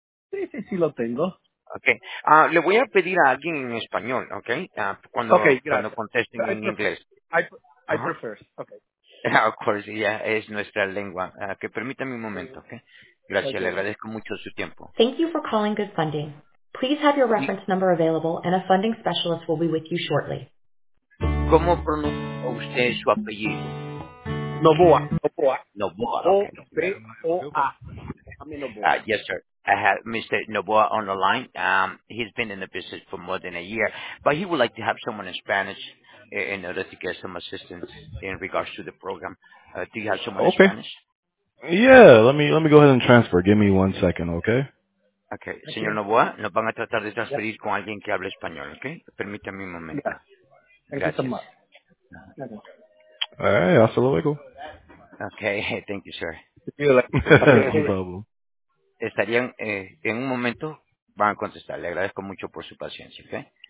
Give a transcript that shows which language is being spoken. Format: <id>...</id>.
<es>Sí, lo tengo.</es> <en>Ok.</en> <es>Le voy a pedir a alguien en español, ¿ok? Cuando contesten en inglés.</es> <en>I prefer. Of course,</en> <es>ya es nuestra lengua. Que permítame un momento, ¿ok? Gracias, le agradezco mucho su tiempo.</es> <en>Thank you for calling Good Funding. Please have your reference number available and a funding specialist will be with you shortly.</en> <es>¿Cómo pronuncia usted su apellido? Noboa. Noboa. Noboa.</es> <en>Okay. Yes, sir. I have Mr. Noboa on the line. He's been in the business for more than a year, but he would like to have someone in Spanish in order to get some assistance in regards to the program. Do you have someone in Spanish? Yeah, let me go ahead and transfer. Give me 1 second, okay?</en> <es>Okay, señor Noboa, nos van a tratar de transferir con alguien que hable español, okay? Permítame un momento. Gracias.</es> <en>All right,</en> <es>hasta luego.</es> <en>Okay, thank you, sir. No problem.</en> <es>Estarían en un momento, van a contestar. Le agradezco mucho por su paciencia, okay?</es>